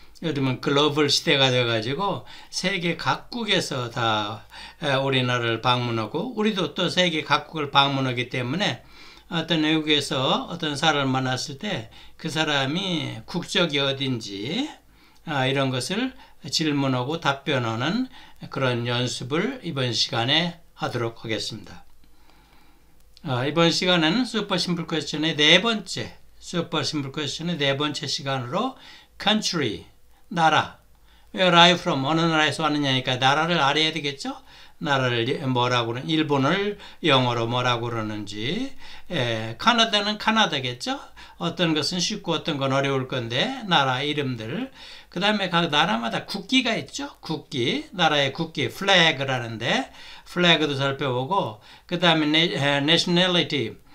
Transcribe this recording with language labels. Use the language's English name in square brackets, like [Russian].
[Korean] 요즘은 글로벌 시대가 돼가지고 세계 각국에서 다 우리나라를 방문하고 우리도 또 세계 각국을 방문하기 때문에 어떤 외국에서 어떤 사람을 만났을 때 그 사람이 국적이 어딘지 이런 것을 질문하고 답변하는 그런 연습을 이번 시간에 하도록 하겠습니다. 이번 시간에는 Super Simple Question의 네 번째, Super Simple Question의 네 번째 시간으로 Country, 나라, [English] Where are you from? [Korean] 어느 나라에서 왔느냐니까 나라를 알아야 되겠죠? 나라를 뭐라고 하는, 일본을 영어로 뭐라고 그러는지, 카나다는 카나다겠죠? 어떤 것은 쉽고 어떤 건 어려울 건데, 나라 이름들. 그 다음에 각 나라마다 국기가 있죠? 국기, 나라의 국기, flag라는데, flag도 살펴보고, 그 다음에 nationality.